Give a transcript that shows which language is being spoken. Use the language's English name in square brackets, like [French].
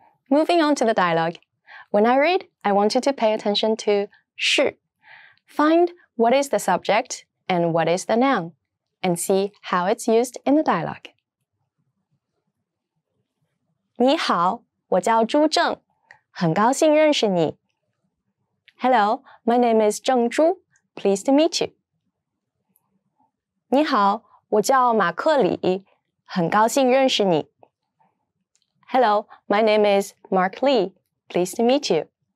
[English] Moving on to the dialogue. When I read, I want you to pay attention to 是. Find what is the subject and what is the noun, and see how it's used in the dialogue. [Chinese] 你好,我叫朱正,很高兴认识你. [English] Hello, my name is 郑朱, pleased to meet you. [Chinese] 你好,我叫马克里,很高兴认识你. [English] Hello, my name is Mark Lee, pleased to meet you.